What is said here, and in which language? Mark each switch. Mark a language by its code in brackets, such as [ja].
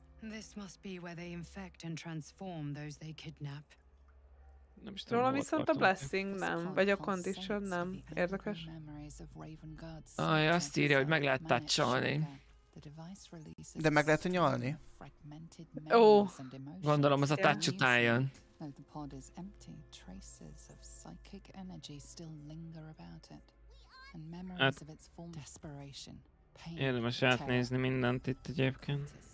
[en] This must be where they infect and transform those they kidnap. [hu] Nem is tudom, viszont a blessing nem, vagy a condition nem. Érdekes. Aj, azt írja, hogy meg lehet touch-olni. De meg lehet nyalni. Ó. Oh. Gondolom az a touch után jön. [en] The pod is empty, traces of psychic energy still linger about it, and memories of its former desperation, pain. [hu] Érdemes átnézni mindent itt egyébként.